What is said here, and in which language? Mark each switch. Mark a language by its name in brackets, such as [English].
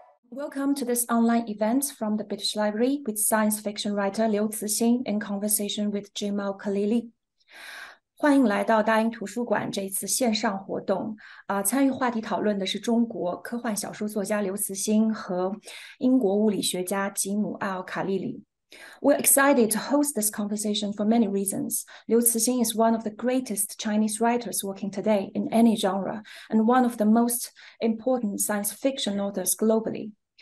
[English] Welcome to this online event from the British Library with science fiction writer Liu Cixin in conversation with Jim Al-Khalili. [Chinese] 欢迎来到大英图书馆这一次线上活动。参与话题讨论的是中国科幻小说作家刘慈欣和英国物理学家吉姆·奥卡利里。 [English] We're excited to host this conversation for many reasons. Liu Cixin is one of the greatest Chinese writers working today in any genre, and one of the most important science fiction authors globally.